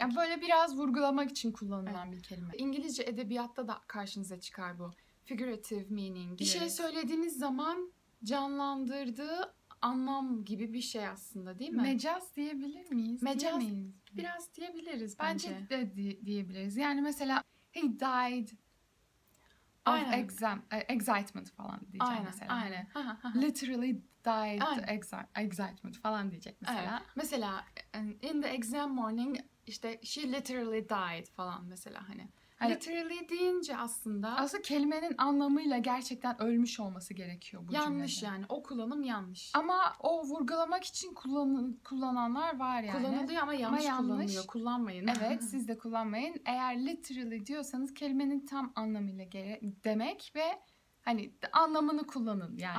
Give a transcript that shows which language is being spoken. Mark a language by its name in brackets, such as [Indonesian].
[Turkish] Yani böyle biraz vurgulamak için kullanılan evet. bir kelime. İngilizce edebiyatta da karşınıza çıkar bu. Figurative meaning. Bir şey söylediğiniz zaman canlandırdığı anlam gibi bir şey aslında, değil mi? Mecaz diyebilir miyiz? Mecaz diyemeyiz. Biraz diyebiliriz bence. Bence de diyebiliriz. Yani mesela [English] he died of excitement [Turkish] falan diyecek aynen, mesela. Aynen. [English] Literally died of excitement [Turkish] falan diyecek mesela. Evet. [English] Mesela in the exam morning işte she literally died falan mesela hani. [Turkish] Yani, literally deyince aslında... Aslında kelimenin anlamıyla gerçekten ölmüş olması gerekiyor bu yanlış cümlede. Yanlış yani. O kullanım yanlış. Ama o vurgulamak için kullananlar var yani. Kullanılıyor ama yanlış, kullanılıyor. Kullanmayın. Evet, siz de kullanmayın. Eğer literally diyorsanız kelimenin tam anlamıyla demek ve hani anlamını kullanın yani.